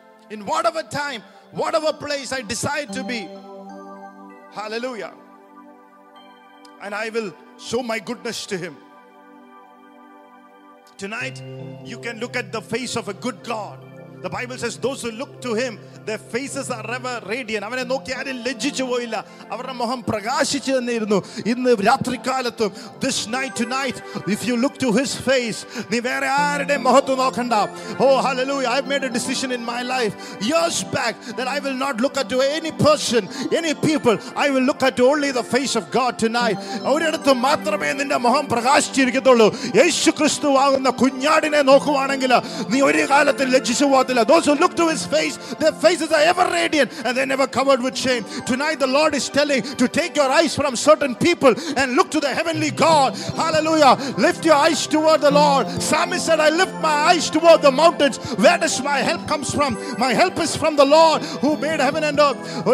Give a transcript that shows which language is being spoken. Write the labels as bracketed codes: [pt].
[en] In whatever time, whatever place I decide to be. Hallelujah. And I will show my goodness to him. Tonight, you can look at the face of a good God. The Bible says, those who look to him, their faces are ever radiant. [ml] അവനെ നോക്കി ആരും ലജ്ജിച്ചു പോയില്ല. അവരുടെ മുഖം പ്രകാശിച്ചു തന്നിരുന്നു. ഇന്ന് രാത്രികാലത്തും, [en] this night tonight, if you look to his face, [ml] നീ വേറെ ആരുടെ മുഖത്തു നോക്കണ്ട. [en] Oh hallelujah, I have made a decision in my life years back that I will not look at any person, any people. I will look at only the face of God tonight. [ml] ഒരിടത്ത് മാത്രമേ നിന്റെ മുഖം പ്രകാശിച്ചിരിക്കത്തുള്ളൂ. യേശുക്രിസ്തു ആകുന്ന കുഞ്ഞാടിനെ നോക്കുവാണെങ്കിൽ നീ ഒരു കാലത്തിൽ ലജ്ജിച്ചു പോകത്തില്ല. [en] Those who look to his face, their faces are ever radiant and they're never covered with shame. Tonight the Lord is telling to take your eyes from certain people and look to the heavenly God. Hallelujah. Lift your eyes toward the Lord. Psalmist said, I lift my eyes toward the mountains. Where does my help comes from? My help is from the Lord who made heaven and earth.